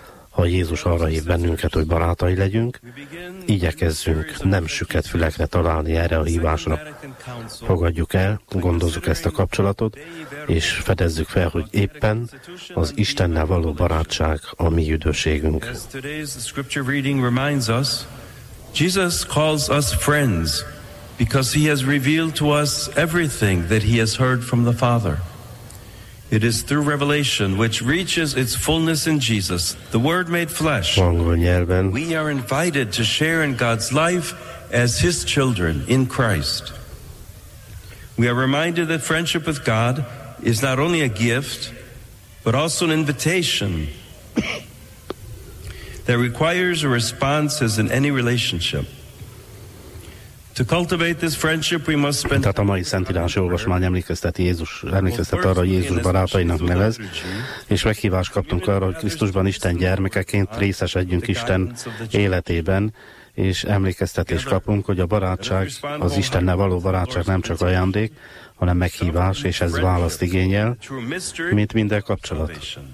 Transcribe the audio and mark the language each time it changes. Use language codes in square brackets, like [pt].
[hu] Ha Jézus arra hív bennünket, hogy barátai legyünk, igyekezzünk nem süket fülekre találni erre a hívásra. Fogadjuk el, gondozzuk ezt a kapcsolatot, és fedezzük fel, hogy éppen az Istennel való barátság a mi üdvösségünk. [en] Jesus calls us friends because he has revealed to us everything that he has heard from the Father. It is through revelation which reaches its fullness in Jesus, the Word made flesh. We are invited to share in God's life as his children in Christ. We are reminded that friendship with God is not only a gift, but also an invitation that requires a response as in any relationship. To cultivate this friendship, we must spend. [hu] Tehát a mai szentírási olvasmány emlékeztet arra, hogy Jézus barátainak nevez, és meghívást kaptunk arra, hogy Krisztusban Isten gyermekeként részesedjünk Isten életében, és emlékeztetést kapunk, hogy a barátság, az Istennel való barátság nem csak ajándék, hanem meghívás, és ez választ igényel, mint minden kapcsolat.